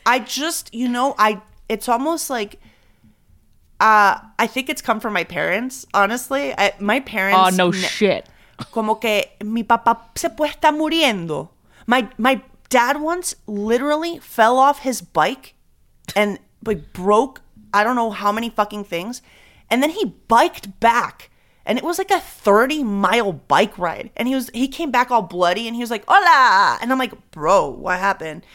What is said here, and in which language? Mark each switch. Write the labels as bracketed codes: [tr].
[en] I just, you know, it's almost like... I think it's come from my parents, honestly. My parents... Oh, no shit. [es] Como que mi papá se puede estar muriendo. [en] My dad once literally fell off his bike and like broke I don't know how many fucking things. And then he biked back. And it was like a 30-mile bike ride. And he came back all bloody and he was like, hola. And I'm like, bro, what happened?